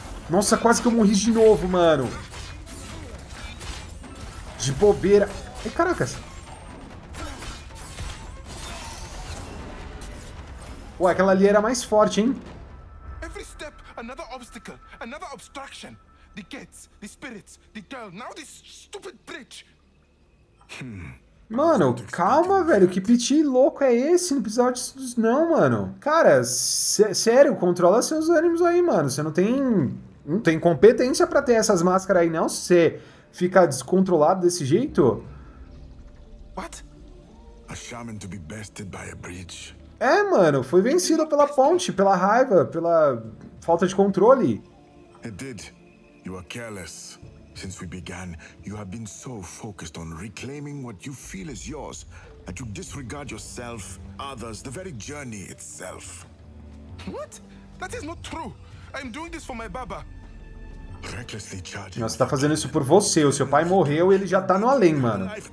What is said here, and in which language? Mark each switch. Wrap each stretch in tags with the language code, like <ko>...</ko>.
<pt>Nossa, quase que eu morri de novo, mano. De bobeira. Ai, caracas. Ué, aquela ali era mais forte, hein?</pt> <en>Every step, another obstacle, another obstruction. The gates, the spirits, the girl, now this stupid bridge.</en> <pt>Mano, calma, velho. Que piti louco é esse no episódio? Não, mano. Cara, sério, controla seus ânimos aí, mano. Você não tem competência pra ter essas máscaras aí, não. Você... Ficar descontrolado desse jeito?</pt> <en>What? A shaman to be bested by a bridge.</en> <pt>É, mano, foi vencido pela ponte, pela raiva, pela falta de controle.</pt> <en>It did. You are careless. Since we began, you have been so focused on reclaiming what you feel is yours that you disregard yourself, others, the very journey itself. What? That is not true. I'm doing this for my Baba.</en> <pt>Nossa, você tá fazendo isso por você. O seu pai morreu e ele já tá no além, mano.</pt>